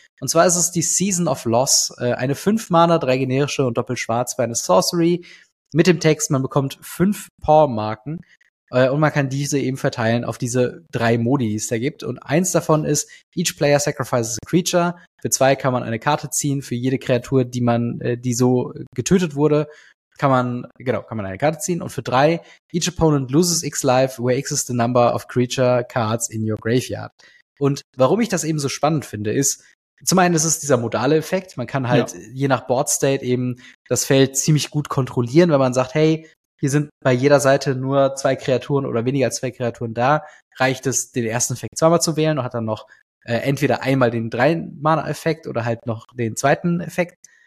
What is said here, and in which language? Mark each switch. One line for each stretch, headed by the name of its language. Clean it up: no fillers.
German: Und zwar ist es die Season of Loss. Eine 5-Mana, 3 generische und doppelt schwarz für eine Sorcery. Mit dem Text, man bekommt 5 Paw-Marken. Und man kann diese eben verteilen auf diese drei Modi, die es da gibt. Und eins davon ist,
English: each player sacrifices a creature.
German: Für zwei kann man eine Karte ziehen. Für jede Kreatur, die man, die so getötet wurde, kann man, genau, kann man eine Karte ziehen. Und für drei,
English: each opponent loses X life, where X is the number of creature cards in your graveyard.
German: Und warum ich das eben so spannend finde, ist, zum einen ist es dieser modale Effekt. Man kann halt je nach Board State eben das Feld ziemlich gut kontrollieren, wenn man sagt, hey, hier sind bei jeder Seite nur zwei Kreaturen oder weniger als zwei Kreaturen da, reicht es, den ersten Effekt zweimal zu wählen und hat dann noch entweder einmal den Drei-Mana-Effekt oder halt noch den zweiten Effekt.